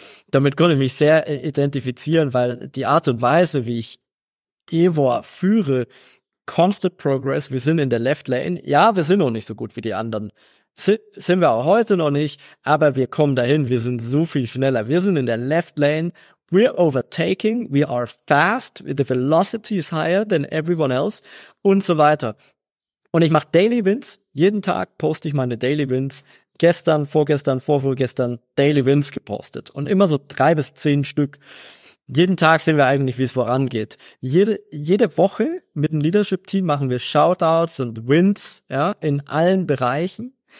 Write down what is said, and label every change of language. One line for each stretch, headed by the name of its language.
German: Damit konnte ich mich sehr identifizieren, weil die Art und Weise, wie ich Eva führe,
English: constant progress,
German: wir sind in der Left-Lane. Ja, wir sind noch nicht so gut wie die anderen. Sind wir auch heute noch nicht, aber wir kommen dahin, wir sind so viel schneller. Wir sind in der Left-Lane.
English: We're overtaking, we are fast, the velocity is higher than everyone else
German: und so weiter. Und ich mache Daily Wins, jeden Tag poste ich meine Daily Wins, gestern, vorgestern, vorvorgestern Daily Wins gepostet und immer so 3 bis 10 Stück. Jeden Tag sehen wir eigentlich, wie es vorangeht. Jede Woche mit dem Leadership-Team machen wir Shoutouts und Wins, ja, in allen Bereichen.